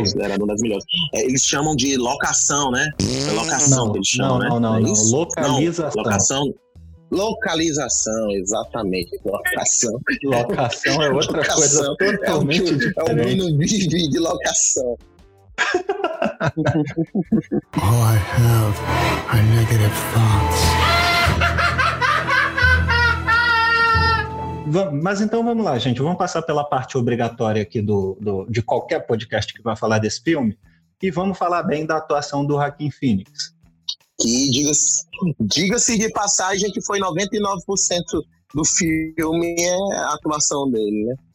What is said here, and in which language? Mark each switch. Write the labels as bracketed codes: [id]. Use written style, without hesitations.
[pt] É considerado uma das melhores. Eles chamam de locação, né? É locação que eles chamam, né? Não. Localização. Locação. Localização, exatamente. Locação. Locação é outra coisa totalmente diferente. É o Minubi de locação. [en] All I have are negative thoughts. [pt] Mas então vamos lá, gente. Vamos passar pela parte obrigatória aqui de qualquer podcast que vai falar desse filme. E vamos falar bem da atuação do Joaquin Phoenix. Que diga-se de passagem que foi 99% do filme é a atuação dele, né?